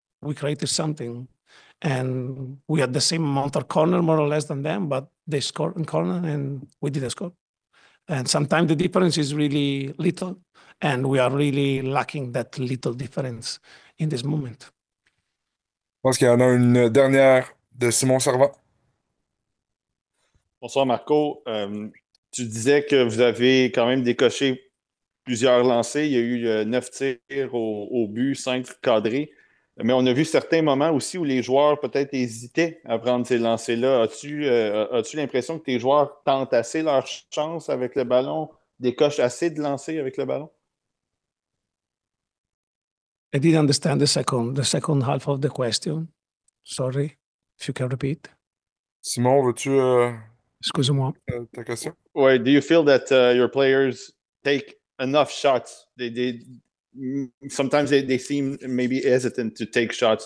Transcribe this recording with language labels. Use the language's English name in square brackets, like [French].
[English] We created something. And we had the same amount of corner, more or less, than them, but they scored in corner and we didn't score. And sometimes the difference is really little, and we are really lacking that little difference in this moment. I think there's another [French] dernière de [English] Simon Servant. [French] Bonsoir Marco, tu disais que vous avez quand même décoché plusieurs lancers, il y a eu 9 tirs au but, 5 cadrés, mais on a vu certains moments aussi où les joueurs peut-être hésitaient à prendre ces lancers-là. As-tu l'impression que tes joueurs tentent assez leur chance avec le ballon, décochent assez de lancers avec le ballon? [English] I didn't understand the second half of the question. Sorry, if you can repeat. [French] Simon, veux-tu... Excuse-moi. Ta question. [English] Ouais, do you feel that your players take enough shots? They sometimes seem maybe hesitant to take shots.